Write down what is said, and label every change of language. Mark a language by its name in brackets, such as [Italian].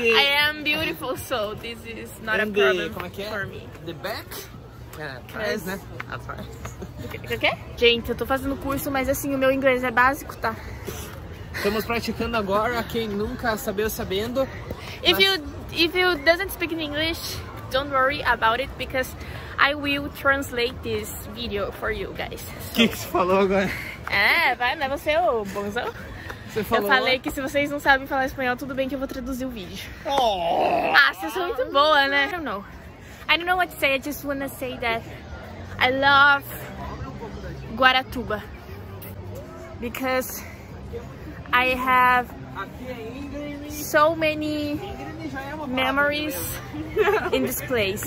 [English] I am beautiful, so this is not a problem. [Portuguese] Como é que é? [English] For me. The back? [Portuguese] Atrás, né? Atrás. O quê? Gente, eu tô fazendo curso, mas assim, o meu inglês é básico, tá? Estamos praticando agora, quem nunca sabendo. [English] If you doesn't speak in English, don't worry about it because I will translate this video for you guys. [Portuguese] O que você falou agora? É, vai, não é você, ô bonzão. Você falou. Eu falei que se vocês não sabem falar espanhol, tudo bem que eu vou traduzir o vídeo. Oh. Ah, você é muito boa, né? [English] I don't know what to say, I just wanna say that I love Guaratuba. Because I have so many memories in this place.